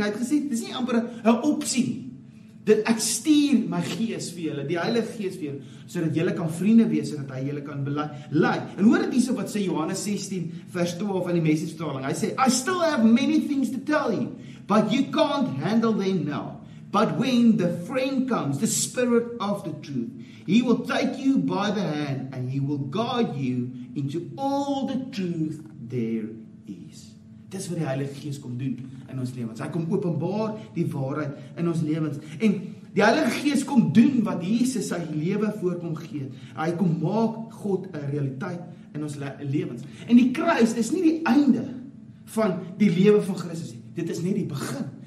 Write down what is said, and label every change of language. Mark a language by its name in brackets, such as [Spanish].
[Afrikaans] Hy het gesê dis nie amper 'n opsie. Dit ek stuur my Gees vir julle, die Heilige Gees vir julle sodat julle kan vriende wees en dat hy julle kan lei. En hoor dit hierso wat sê Johannes 16 vers 12 van die Message vertaling. Hy sê [English] I still have many things to tell you, but you can't handle them now. But when the friend comes, the spirit of the truth, he will take you by the hand and he will guide you into all the truth there is. [Afrikaans] Dis wat die Heilige Gees kom doen in ons lewens. Hy kom openbaar die waarheid in ons lewens. En die Heilige Gees kom doen wat Jesus sy lewe voorkom gee. Hy kom maak God 'n realiteit in ons lewens. En die kruis is nie die einde van die lewe van Christus nie. Dit is net die begin.